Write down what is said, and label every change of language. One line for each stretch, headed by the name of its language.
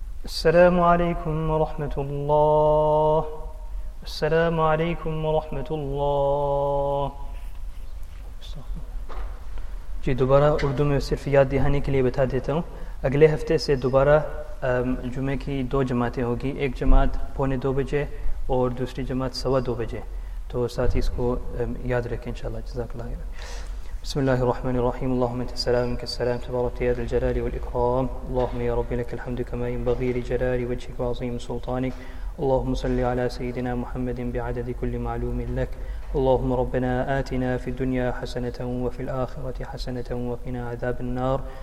Arabic: السلام عليكم ورحمة الله. السلام عليكم ورحمة الله.
Urdu: جی دوبارہ اردو میں صرف یاد دہانے کے لیے بتا دیتا ہوں, اگلے ہفتے سے دوبارہ جمعے کی دو جماعتیں ہوگی, ایک جماعت 2:30 بجے اور دوسری جماعت 2:15 بجے, تو ساتھ ہی اس کو یاد رکھیں انشاءاللہ.
Arabic: جزاک اللہ. بسم الله الرحمن الرحيم. اللهم انت السلام منك السلام تبارك يا ذا الجلال والإكرام. اللهم يا ربي لك الحمد كما ينبغي لجلال وجهك وعظيم سلطانك. اللهم صل على سيدنا محمد بعدد كل معلوم لك. اللهم ربنا آتنا في الدنيا حسنة وفي الآخرة حسنة وقنا عذاب النار.